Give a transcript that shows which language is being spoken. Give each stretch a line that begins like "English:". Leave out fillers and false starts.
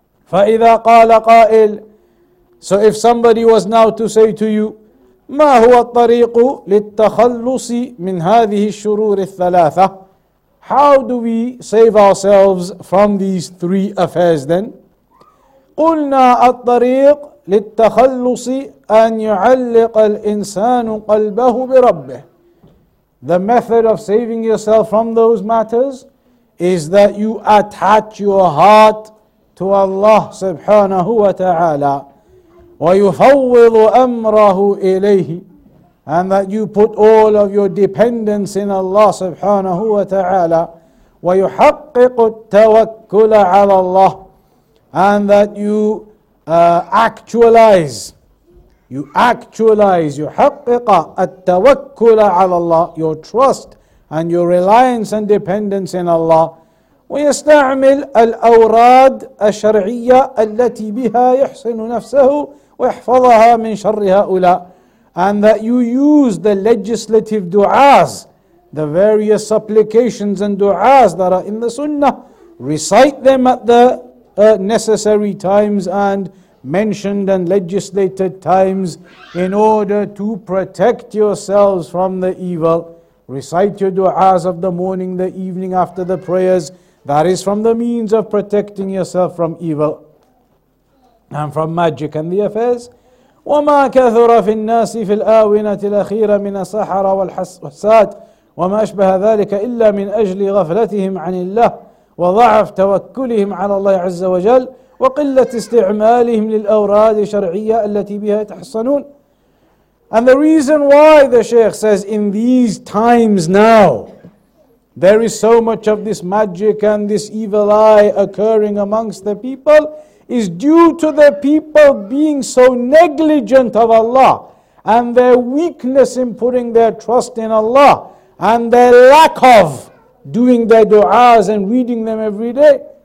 Arabic: فَإِذَا قَالَ قَائِلٌ.
English: So if somebody was now to say to you,
Arabic: مَا هُوَ الطَّرِيقُ لِلتَّخَلُّصِ مِنْ هَذِهِ الشُّرُورِ الثَّلَاثَةِ.
English: How do we save ourselves from these three affairs then?
Arabic: قلنا الطريق للتخلص أن يعلق الإنسان قلبه بربه.
English: The method of saving yourself from those matters is that you attach your heart to Allah
Arabic: سبحانه وتعالى ويفوض أمره إليه,
English: and that you put all of your dependence in Allah
Arabic: سبحانه وتعالى ويحقق التوكل على الله.
English: And that you actualize, you
Arabic: حقق التوكل على الله,
English: your trust and your reliance and dependence in Allah.
Arabic: ويستعمل الأوراد الشرعية التي بها يحصن نفسه ويحفظها من شر هؤلاء.
English: And that you use the legislative du'as, the various supplications and du'as that are in the sunnah, recite them at the necessary times and mentioned and legislated times in order to protect yourselves from the evil. Recite your du'as of the morning, the evening, after the prayers. That is from the means of protecting yourself from evil and from magic and the affairs.
Arabic: وما كثر في الناس في الآونة الأخيرة من السحرة والحساد وما أشبه ذلك إلا من أجل غفلتهم عن الله وضعف توكلهم على الله عز وجل وقلة استعمالهم للأوراد الشرعية التي بها يتحصنون.
English: And the reason why the Sheikh says in these times now there is so much of this magic and this evil eye occurring amongst the people is due to the people being so negligent of Allah and their weakness in putting their trust in Allah and their lack of doing their du'as and reading them every day.